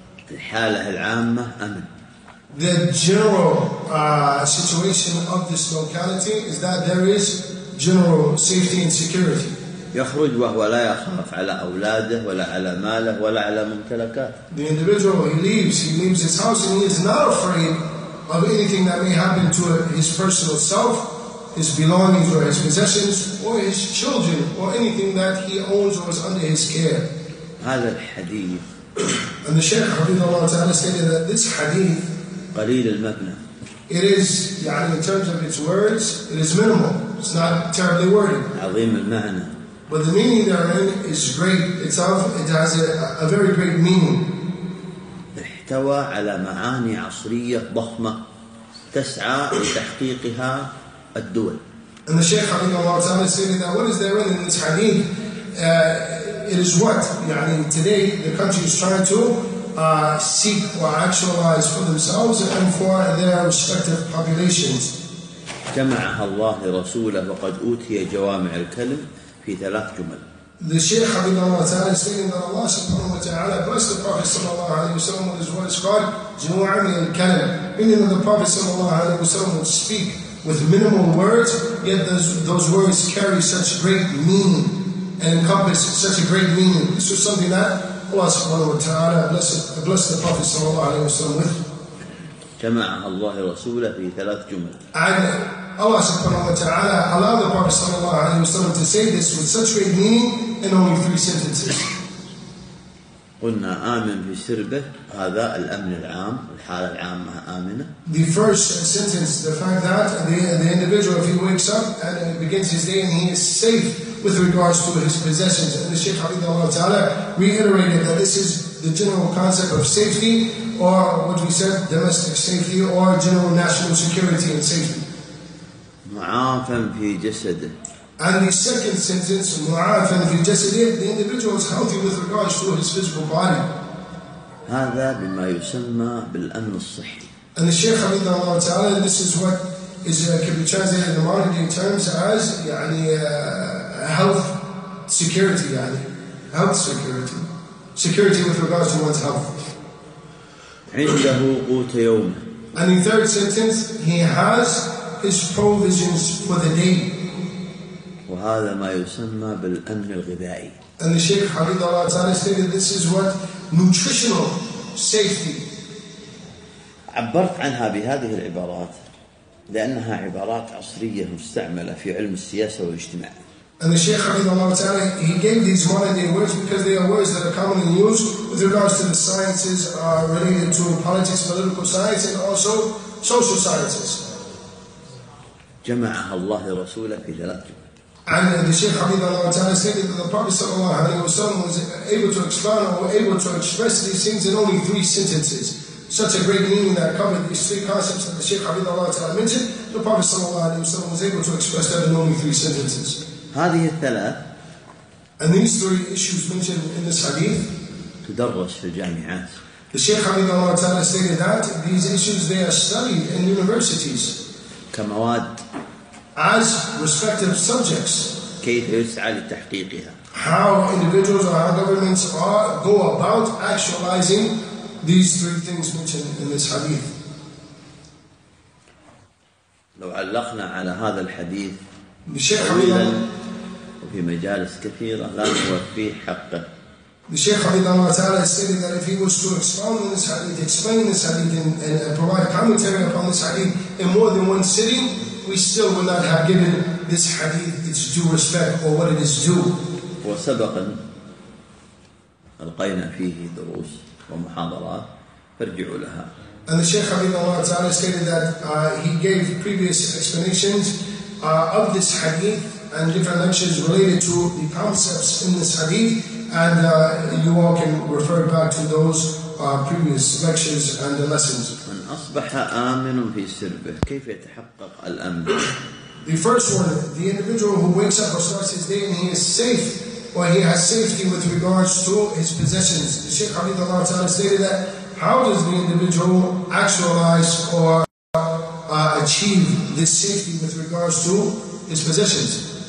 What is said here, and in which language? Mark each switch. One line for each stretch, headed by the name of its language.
Arabic: الحالة العامة أمن.
English: The general situation of this locality is that there is general safety and security.
Arabic: يخرج وهو لا يخاف على أولاده ولا على ماله ولا على ممتلكاته.
English: The individual, he leaves his house and he is not afraid of anything that may happen to his personal self, his belongings or his possessions, or his children, or anything that he owns or is under his care.
Arabic: هذا الحديث.
English: And the Shaykh حفظه الله تعالى stated that this hadith,
Arabic: قليل المبنى.
English: It is, يعني, in terms of its words, it is minimal. It's not terribly worded.
Arabic: عظيم المعنى.
English: But the meaning therein is great. Itself, it has a very great meaning.
Arabic: احتوى على معاني عصرية ضخمة تسعى لتحقيقها الدول.
English: And the Shaykh حفظه الله تعالى stated that what is therein in this hadith, it is what, يعني, today the country is trying to seek or actualize for themselves and for their respective populations.
Arabic: جمعها الله رسوله وقد أوتي جوامع الكلم في ثلاث جمل.
English: The Shaykh حفظه الله تعالى stated that Allah subhanahu wa ta'ala blessed the Prophet sallallahu alayhi wa sallam with his words called جوامع الكلم, meaning that the Prophet sallallahu alayhi wa sallam would speak with minimal words, yet those words carry such great meaning and encompass such a great meaning. This was something that Allah subhanahu wa ta'ala blessed the Prophet sallallahu alayhi wa sallam with.
Arabic: جمعها الله رسوله في ثلاث جمل.
English: Allah subhanahu wa ta'ala allowed the Prophet sallallahu alayhi wa sallam to say this with such great meaning in only three sentences.
Arabic: قلنا آمن في سربه هذا الأمن العام الحالة العامة آمنة.
English: The first sentence, the fact that the individual, if he wakes up and begins his day and he is safe with regards to his possessions, and the Shaykh حفظه الله تعالى reiterated that this is the general concept of safety, or what we said, domestic safety or general national security and safety.
Arabic: معافى في جسده.
English: And the second sentence,
Arabic: مُعَافًا فِي جَسَدِهِ,
English: the individual is healthy with regards to his physical body.
Arabic: هذا بما يسمى بالأمن الصحي.
English: And the Shaykh حفظه الله تعالى, this is what is can be translated in the modern day terms as يعني, health security, يعني, health security. Security with regards to one's health.
Arabic: عنده قوت يوم.
English: And the third sentence, he has his provisions for the day.
Arabic: وهذا ما يسمى بالأمن الغذائي.
English: And the Shaykh حفظه الله تعالى stated this is what nutritional safety.
Arabic: عبرت عنها بهذه العبارات لأنها عبارات عصرية مستعملة في علم السياسة والاجتماع.
English: And the Shaykh حفظه الله تعالى he gave these modern day words because they are words that are commonly used with regards to the sciences related to politics, political science and also social sciences.
Arabic: جمعها الله رسوله في ثلاث جمل.
English: And the Shaykh حفظه الله تعالى stated that the Prophet sallallahu alayhi wa sallam was able to expound or able to express these things in only three sentences. Such a great meaning that covered these three concepts that the Shaykh حفظه الله تعالى mentioned, the Prophet sallallahu alayhi wa sallam was able to express that in only three sentences.
Arabic: هذه الثلاث.
English: And these three issues mentioned in this hadith.
Arabic: تدرس في الجامعات.
English: The Shaykh Hafidhullah Ta'ala stated that these issues they are studied in universities.
Arabic: كمواد.
English: As respective subjects.
Arabic: كيف يسعى لتحقيقها.
English: How individuals or how governments are go about actualizing these three things mentioned in this hadith.
Arabic: لو علقنا على هذا الحديث.
English: The Shaykh Hafidhullah.
Arabic: وفي مجالس كثيرة لا نوفي حقه.
English: The Shaykh Hafidhullah Ta'ala stated that if he was to expound on this hadith, explain this hadith, and provide commentary upon this hadith in more than one sitting, we still would not have given this hadith its due respect or what it is due.
Arabic: وسبقا ألقينا فيه دروس ومحاضرات فارجعوا لها.
English: And the Shaykh Hafidhullah Ta'ala stated that he gave previous explanations of this hadith and different lectures related to the concepts in this hadith, and you all can refer back to those previous lectures and the lessons.
Arabic: من أصبح آمن في سربه كيف يتحقق الأمن؟
English: The first one, the individual who wakes up or starts his day and he is safe, or he has safety with regards to his possessions. The Shaykh Hafidhullah Ta'ala stated that, how does the individual actualize or achieve this safety with regards to his possessions?